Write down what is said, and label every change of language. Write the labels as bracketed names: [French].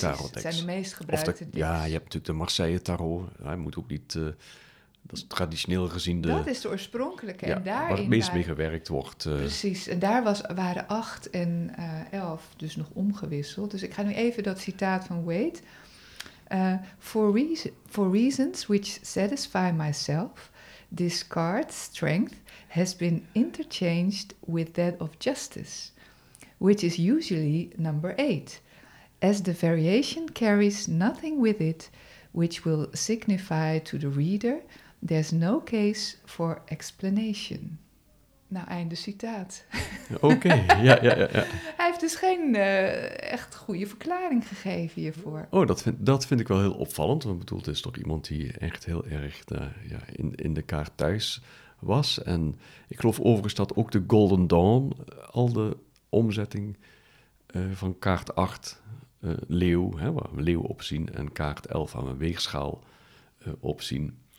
[Dutch] Precies, het zijn de meest gebruikte decks. Ja, je hebt natuurlijk de Marseille tarot. Hij moet ook niet. Dat is traditioneel gezien de. Dat is de oorspronkelijke. Ja, en daarin waar het meest mee gewerkt wordt. Precies, en daar waren 8 en 11 dus nog omgewisseld. Dus ik ga nu even dat citaat van Waite. [English] For reasons which satisfy myself, this card, strength, has been interchanged with that of justice, which is usually number 8, as the variation carries nothing with it, which will signify to the reader, there's no case for explanation. [Dutch] Nou, einde citaat. Oké, ja. Hij heeft dus geen echt goede verklaring gegeven hiervoor. Oh, dat vind ik wel heel opvallend, want bedoeld is toch iemand die echt heel erg in de kaart thuis was. En ik geloof overigens dat ook de Golden Dawn al de omzetting van kaart 8, leeuw, hè, waar we leeuw opzien, en kaart 11 aan een weegschaal opzien.